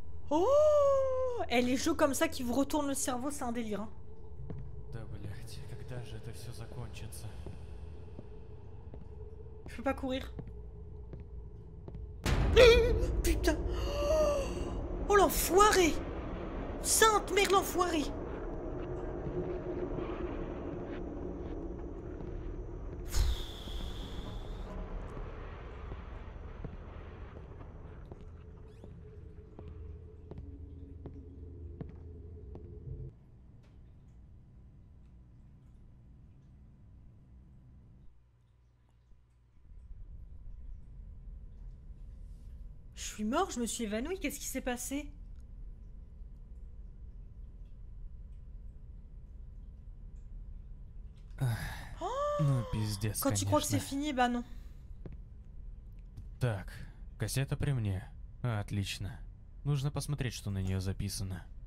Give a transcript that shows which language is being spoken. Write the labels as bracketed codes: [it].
[fr] Oh! Et les jeux comme ça qui vous retournent le cerveau, c'est un délire. Hein. [ru] Да, блядь, когда же это все закончится? [fr] Je peux pas courir. Putain! Oh l'enfoiré! Sainte mère l'enfoiré! Je suis mort, je me suis évanouie, qu'est-ce qui s'est passé? [ru] Ну, пиздец, [fr] quand tu crois que c'est fini, bah non. [ru] Так, кассета при мне. Отлично. Нужно посмотреть, что на нее записано.